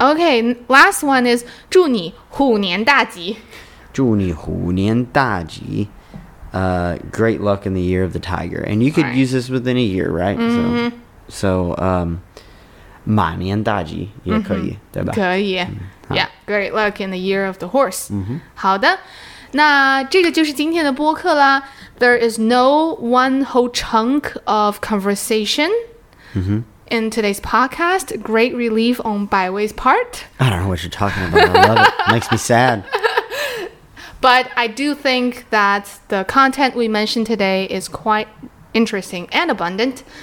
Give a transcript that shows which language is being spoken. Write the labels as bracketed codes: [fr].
[en] Okay, last one is [zh] 祝你虎年大吉. 祝你虎年大吉. [en] Great luck in the year of the tiger. And you could use this within a year, right? Mm-hmm. [zh] So 马年大吉也可以, mm-hmm. 对吧? 可以.Mm-hmm. [en] Yeah, great luck in the year of the horse. Mm-hmm. [zh] 好的, 那这个就是今天的播客啦. [en] There is no one whole chunk of conversation. Mm-hmm. In today's podcast, great relief on Baiwei's part. I don't know what you're talking about. I love it. Makes me sad. But I do think that the content we mentioned today is quite interesting and abundant.